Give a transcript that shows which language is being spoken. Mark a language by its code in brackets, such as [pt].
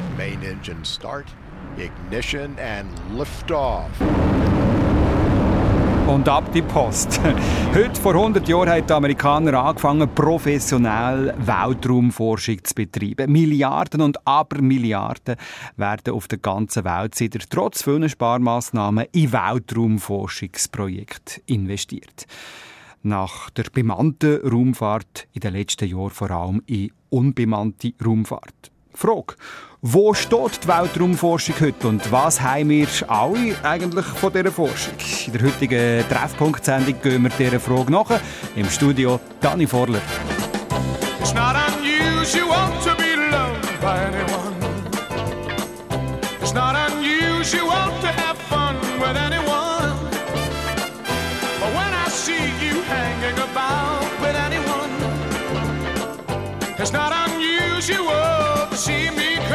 [en] Main engine start, ignition and liftoff. [de] Und ab die Post. Heute vor 100 Jahren haben die Amerikaner angefangen, professionell Weltraumforschung zu betreiben. Milliarden und Abermilliarden werden auf der ganzen Welt seither trotz vielen Sparmassnahmen in Weltraumforschungsprojekte investiert. Nach der bemannten Raumfahrt in den letzten Jahren vor allem in unbemannte Raumfahrt. Frage: Wo steht die Weltraumforschung heute und was haben wir alle eigentlich von dieser Forschung? In der heutigen Treffpunkt-Sendung gehen wir dieser Frage nach. Im Studio Dani Vorler. [en] It's not unusual to be loved by anyone. It's not unusual to have fun with anyone. But when I see you hanging about with anyone, it's not unusual.